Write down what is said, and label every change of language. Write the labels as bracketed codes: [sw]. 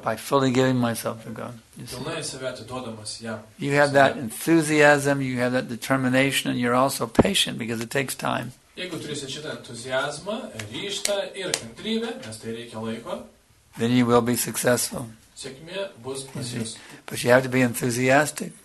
[en] By fully giving myself to God. [lt] Pilnai save atiduodamas jam. [en] You have that enthusiasm, you have that determination, and you're also patient because it takes time. [lt] Jeigu turėsi šitą entuziazmą, ryštą ir kantrybę, nes tai reikia laiko, [en] then you will be successful. [lt] Sėkmė bus pas jus. [en] But you have to be enthusiastic.